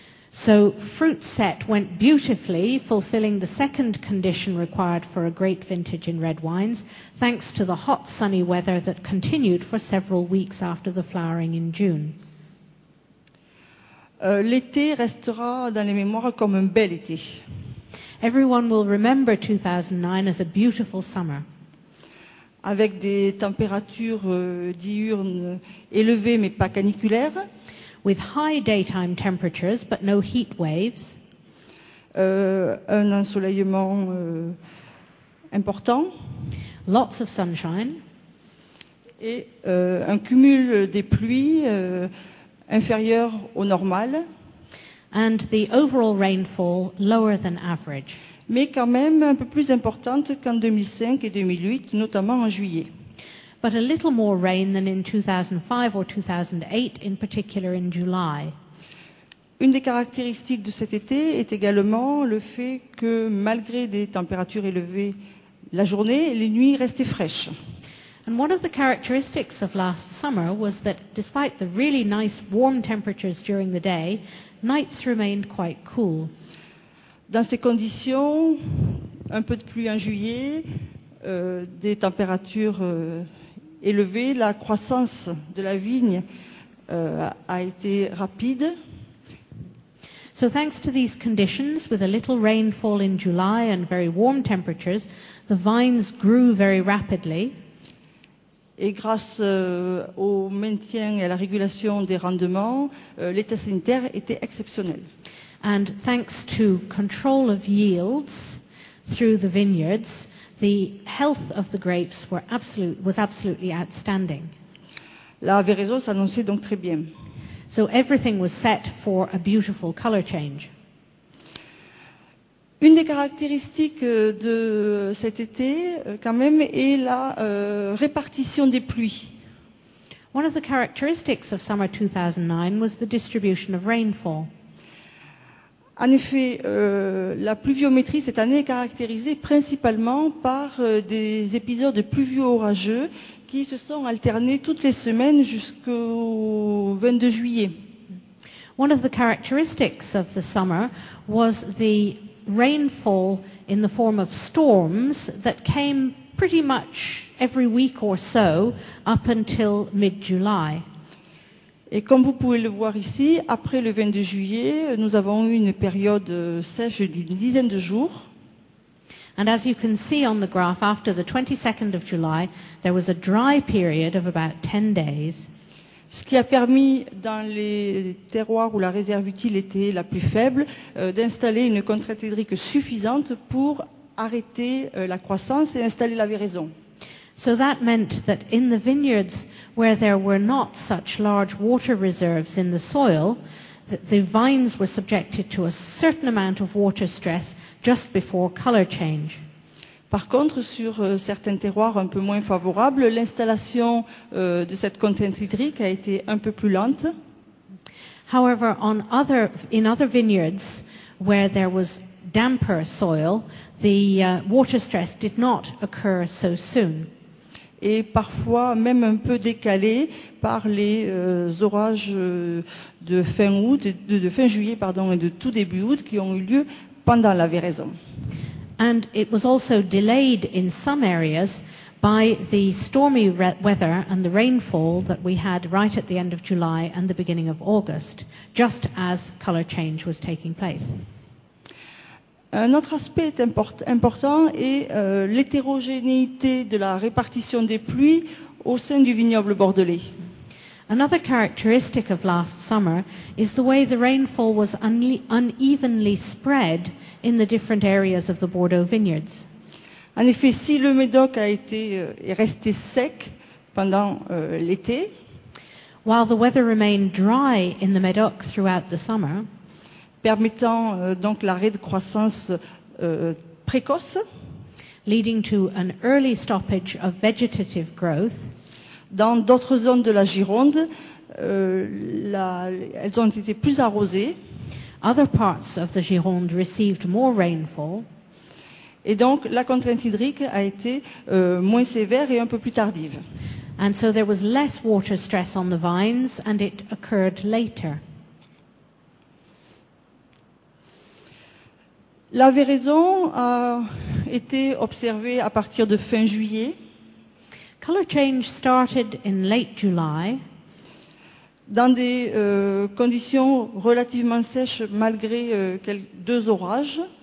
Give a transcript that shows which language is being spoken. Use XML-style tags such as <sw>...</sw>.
<en>So fruit set went beautifully, fulfilling the second condition required for a great vintage in red wines, thanks to the hot sunny weather that continued for several weeks after the flowering in June.</en> <fr>L'été restera dans les mémoires comme un bel été.</fr> <en>Everyone will remember 2009 as a beautiful summer.</en> <fr>Avec des températures diurnes élevées mais pas caniculaires.</fr> <en>With high daytime temperatures but no heat waves.</en> <fr>Un ensoleillement important.</fr> <en>Lots of sunshine.</en> <fr>Et un cumul des pluies inférieur au normal.</fr> <en>And the overall rainfall lower than average.</en> <fr>Mais quand même un peu plus importante qu'en 2005 et 2008, notamment en juillet.</fr> <en>But a little more rain than in 2005 or 2008, in particular in July.</en> <fr>Une des caractéristiques de cet été est également le fait que malgré des températures élevées la journée, les nuits restaient fraîches.</fr> <en>And one of the characteristics of last summer was that despite the really nice warm temperatures during the day, nights remained quite cool.</en> <fr>Dans ces conditions, un peu de pluie en juillet, des températures élevées, la croissance de la vigne a été rapide.</fr> <en>So thanks to these conditions, with a little rainfall in July and very warm temperatures, the vines grew very rapidly.</en> <fr>Et grâce au maintien et à la régulation des rendements, l'état sanitaire était exceptionnel.</fr> <en>And thanks to control of yields through the vineyards, the health of the grapes was absolutely outstanding.</en> <fr>La véraison s'annonçait donc très bien.</fr> <en>So everything was set for a beautiful color change.</en> <fr>Une des caractéristiques de cet été, quand même, est la répartition des pluies.</fr> <en>One of the characteristics of summer 2009 was the distribution of rainfall.</en> <fr>En effet, la pluviométrie cette année est caractérisée principalement par des épisodes pluvio-orageux qui se sont alternés toutes les semaines jusqu'au 22 juillet.</fr> <en>One of the characteristics of the summer was the rainfall in the form of storms that came pretty much every week or so up until mid-July.</en> <fr>Et comme vous pouvez le voir ici, après le 22 juillet, nous avons eu une période sèche d'une dizaine de jours.</fr> <en>And as you can see on the graph, after the 22nd of July, there was a dry period of about 10 days.</en> <fr>Ce qui a permis, dans les terroirs où la réserve utile était la plus faible, d'installer une contrainte hydrique suffisante pour arrêter la croissance et installer la véraison.</fr> <en>So that meant that in the vineyards where there were not such large water reserves in the soil, that the vines were subjected to a certain amount of water stress just before color change.</en> <fr>Par contre, sur certains terroirs un peu moins favorables, l'installation de cette contrainte hydrique a été un peu plus lente.</fr> <en>However, in other vineyards where there was damper soil, the water stress did not occur so soon.</en> <fr>Et parfois même un peu décalé par les orages de fin août, de fin juillet, et de tout début août qui ont eu lieu pendant la véraison.</fr> <en>And it was also delayed in some areas by the stormy weather and the rainfall that we had right at the end of July and the beginning of August, just as color change was taking place.</en> <fr>Un autre aspect est important est l'hétérogénéité de la répartition des pluies au sein du vignoble bordelais.</fr> <en>Another characteristic of last summer is the way the rainfall was unevenly spread in the different areas of the Bordeaux vineyards.</en> <fr>En effet, si le Médoc est resté sec pendant l'été,</fr> <en>while the weather remained dry in the Médoc throughout the summer,</en> <fr>permettant donc l'arrêt de croissance précoce,</fr> <en>leading to an early stoppage of vegetative growth,</en> <fr>dans d'autres zones de la Gironde, elles ont été plus arrosées.</fr> <en>Other parts of the Gironde received more rainfall.</en> <fr>Et donc la contrainte hydrique a été moins sévère et un peu plus tardive.</fr> <en>And so there was less water stress on the vines and it occurred later.</en> <fr>La véraison a été observée à partir de fin juillet.</fr> <en>Color change started in late July.</en> <fr>Dans des conditions relativement sèches malgré deux orages.</fr>